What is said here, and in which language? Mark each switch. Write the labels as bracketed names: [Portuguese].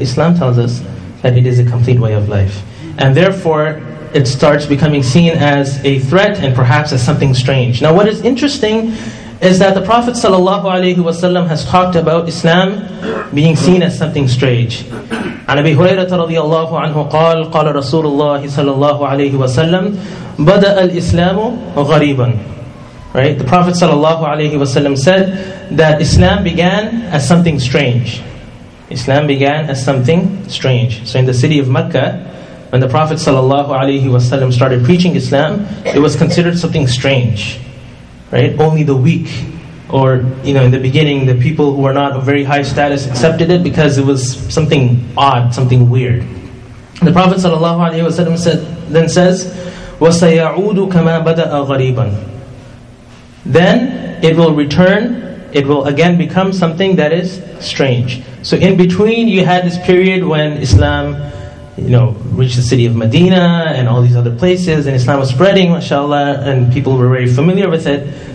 [English] Islam tells us that it is a complete way of life. And therefore, it starts becoming seen as a threat and perhaps as something strange. Now what is interesting is that the Prophet ﷺ has talked about Islam being seen as something strange. [Arabic] عن أبي هريرة رضي الله عنه قال قال رسول الله صلى الله عليه وسلم بدأ الإسلام غريبا. [English] Right? The Prophet ﷺ said that Islam began as something strange. Islam began as something strange. So in the city of Mecca, when the Prophet ﷺ started preaching Islam, it was considered something strange. Right? Only the weak, or you know, in the beginning, the people who were not of very high status accepted it because it was something odd, something weird. The Prophet ﷺ says, [Arabic] وَسَيَعُودُ كَمَا بَدَأَ غَرِيبًا. [English] Then it will return, it will again become something that is strange. So in between, you had this period when Islam, you know, reached the city of Medina and all these other places, and Islam was spreading, mashallah, and people were very familiar with it.